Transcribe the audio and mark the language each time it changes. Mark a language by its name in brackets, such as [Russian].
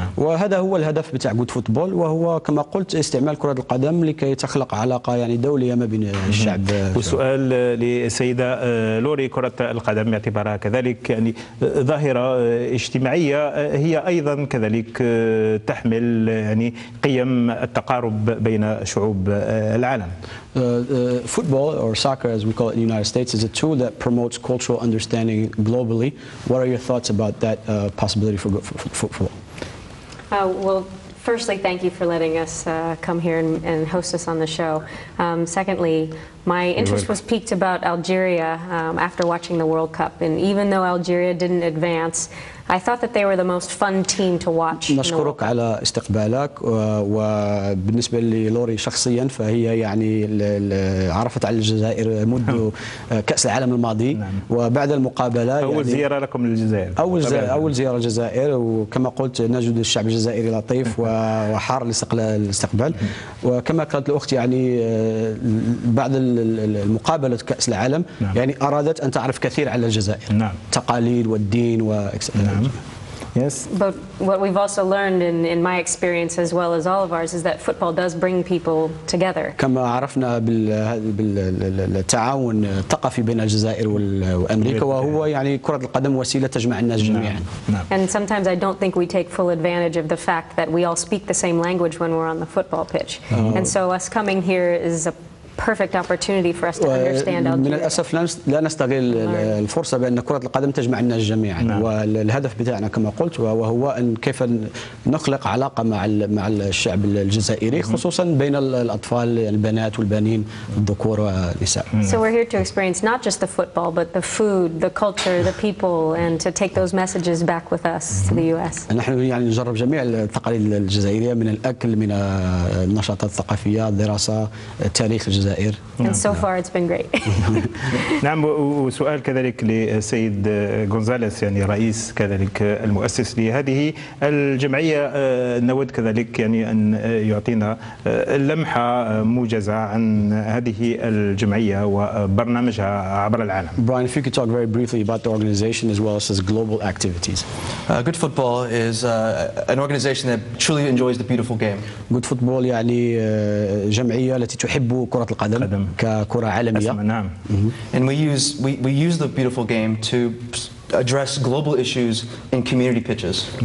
[Arabic] وهذا هو الهدف بتاع جود فوتبول، وهو كما قلت استعمال كرة القدم لكي تخلق علاقة يعني دولية ما بين الشعب. وسؤال للسيدة لوري، كرة القدم باعتبارها كذلك يعني ظاهرة اجتماعية، هي أيضا كذلك تحمل يعني قيم التقارب بين شعوب العالم. [English] Football or soccer as we call it in the United States is a tool that promotes cultural understanding globally. What are your thoughts about that possibility for football? Well, firstly, thank you for letting us come here and host us on the show. Secondly, my interest was piqued about Algeria after watching the World Cup. And even though Algeria didn't advance, I thought that they were the most fun team to watch. [Arabic] نشكرك على استقبالك. وبالنسبة للوري شخصيا فهي يعني عرفت على الجزائر منذ كأس العالم الماضي، وبعد المقابلة أول زيارة لكم للجزائر. أول زيارة للجزائر، وكما قلت نجد الشعب الجزائري لطيف وحار الاستقبال. وكما قالت الأخت يعني بعد المقابلة كأس العالم يعني أرادت أن تعرف كثير على الجزائر، تقاليد والدين و [English] Yes. But what we've also learned in my experience as well as all of ours is that football does bring people together. [Arabic] كما عرفنا بالتعاون الثقافي بين الجزائر وأمريكا، وهو يعني كرة القدم وسيلة تجمع الناس جميعا. [English] And sometimes I don't think we take full advantage of the fact that we all speak the same language when we're on the football pitch. And so us coming here is a perfect opportunity for us to understand Algeria. [Arabic] من الأسف لا نستغل الفرصة بأن كرة القدم تجمع الناس جميعا. والهدف بتاعنا كما قلت وهو أن كيف نخلق علاقة مع الشعب الجزائري، خصوصا بين الأطفال البنات والبنين الذكور والنساء. [English] So we're here to experience not just the football but the food, the culture, the people, and to take those messages back with us to the US. [Arabic] نحن يعني نجرب جميع التقاليد الجزائرية، من الأكل، من النشاطات الثقافية، الدراسة، التاريخ الجزائر. [English] And so far it's been great. [Arabic] نعم. وسؤال كذلك للسيد غونزاليس، يعني رئيس كذلك المؤسس لهذه الجمعية، نود كذلك يعني أن يعطينا لمحة موجزة عن هذه الجمعية وبرنامجها عبر العالم. [English] Brian, if you could talk very briefly about the organization as well as its global activities. Good football is an organization that truly enjoys the beautiful game. [Arabic] Good football يعني جمعية التي تحب كرة القدم ككرة عالمية. [English] And we use the beautiful game to address global issues in community pitches.